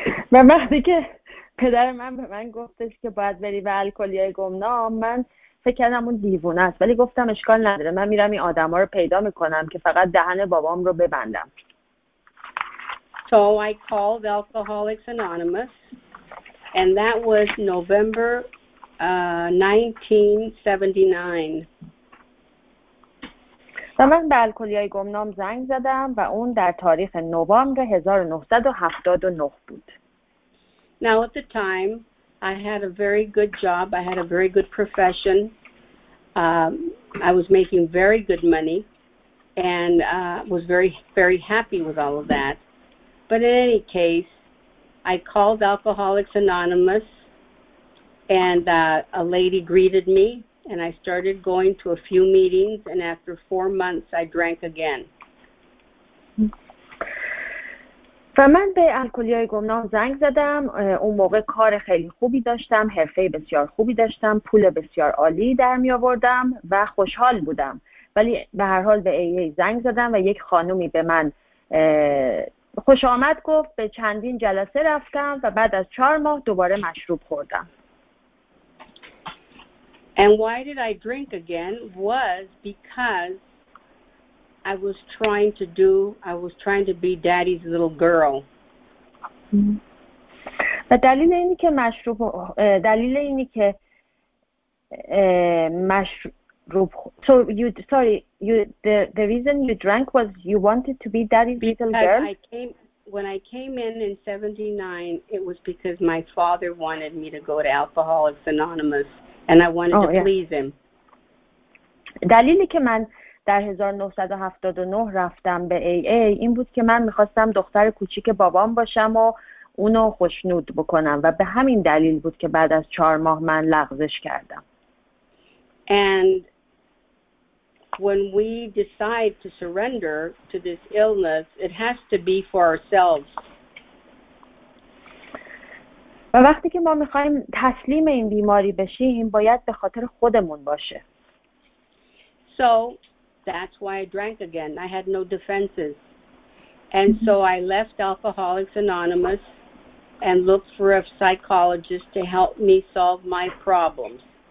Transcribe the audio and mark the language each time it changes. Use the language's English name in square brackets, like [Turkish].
[Persian] من وقتی که پدر من به من گفتش که باید بری به الکلی‌های گمنام، من فکر کردم اون دیوونه است، ولی گفتم اشکال نداره، من میرم این آدم ها رو پیدا میکنم که فقط دهن بابام رو ببندم. [English] So I called Alcoholics Anonymous, and that was November 1979. [Persian] من به الکلیای گمنام زنگ زدم و اون در تاریخ نوامبر 1979 بود. [English] Now at the time, I had a very good job. I had a very good profession. I was making very good money and was very, very happy with all of that. But in any case, I called Alcoholics Anonymous and a lady greeted me and I started going to a few meetings and after 4 months, I drank again. [Persian] و من به الکلیای گمنام زنگ زدم. اون موقع کار خیلی خوبی داشتم، حرفه بسیار خوبی داشتم، پول بسیار عالی در می آوردم و خوشحال بودم. ولی به هر حال به AA زنگ زدم و یک خانومی به من خوش آمد گفت. به چندین جلسه رفتم و بعد از 4 ماه دوباره مشروب خوردم. [English] And why did I drink again was because I was trying to be daddy's little girl. [Persian] و دلیل اینی که مشروب [English] دلیل اینی که مشروب so you sorry you the reason you drank was you wanted to be daddy's because little girl. When I came in 79, it was because my father wanted me to go to Alcoholics Anonymous and I wanted to please him. [Persian] دلیلی که من در 1979 رفتم به AA این بود که من میخواستم دختر کوچیک بابام باشم و اونو خوشنود بکنم و به همین دلیل بود که بعد از 4 ماه من لغزش کردم. [English] And when we decide to surrender to this illness, it has to be for ourselves. [Persian] و وقتی که ما میخواییم تسلیم این بیماری بشیم باید به خاطر خودمون باشه. [English] So that's why I drank again. I had no defenses. And so I left Alcoholics Anonymous and looked for a psychologist to help me solve my problems.